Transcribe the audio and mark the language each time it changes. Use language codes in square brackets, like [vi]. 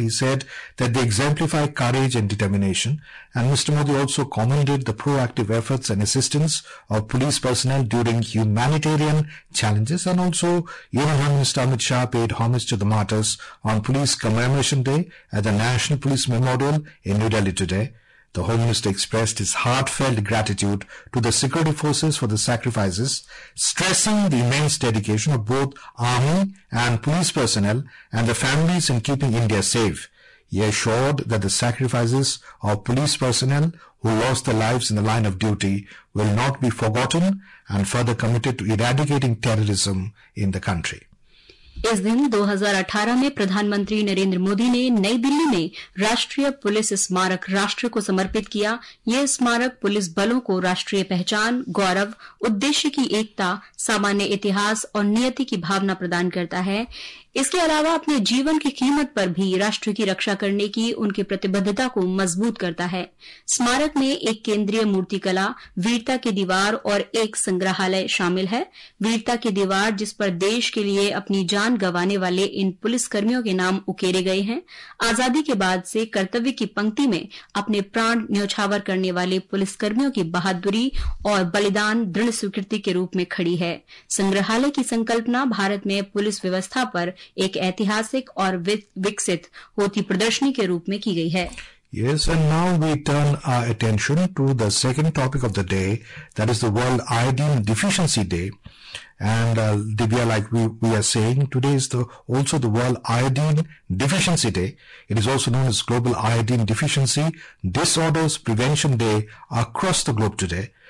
[en] He said that they exemplify courage and determination. And Mister Modi also commended the proactive efforts and assistance of police personnel during humanitarian challenges. And also union home minister Amit Shah paid homage to the martyrs on police commemoration day at the national police memorial in New Delhi today. The Home Minister expressed his heartfelt gratitude to the security forces for the sacrifices, stressing the immense dedication of both army and police personnel and the families in keeping India safe. He assured that the sacrifices of police personnel who lost their lives in the line of duty will not be forgotten and further committed to eradicating terrorism in the country. [hi] इस दिन 2018 में प्रधानमंत्री नरेंद्र मोदी ने नई दिल्ली में राष्ट्रीय police स्मारक राष्ट्र को समर्पित किया। ये स्मारक पुलिस बलों को राष्ट्रीय पहचान, गौरव, उद्देश्य की एकता, सामान्य इतिहास और नियति की भावना प्रदान करता है। इसके अलावा अपने जीवन की कीमत पर भी राष्ट्र की रक्षा करने की उनकी प्रतिबद्धता को मजबूत करता है। स्मारक में एक केंद्रीय मूर्तिकला, वीरता की दीवार और एक संग्रहालय शामिल है। वीरता की दीवार जिस पर देश के लिए अपनी जान गंवाने वाले इन पुलिसकर्मियों के नाम उकेरे गए हैं। आजादी के बाद से कर्तव्य की पंक्ति में अपने प्राण न्यौछावर करने वाले पुलिसकर्मियों की बहादुरी और बलिदान दृढ़ स्वीकृति के रूप में खड़ी है। संग्रहालय की संकल्पना भारत में पुलिस व्यवस्था पर एक ऐतिहासिक और विकसित होती प्रदर्शनी के रूप में की गई है। [en] Yes, and now we turn our attention to the second topic of the day, that is the World Iodine Deficiency Day. And Divya, like we are saying, today is also the World Iodine Deficiency Day. It is also known as Global Iodine Deficiency Disorders Prevention Day across the globe today.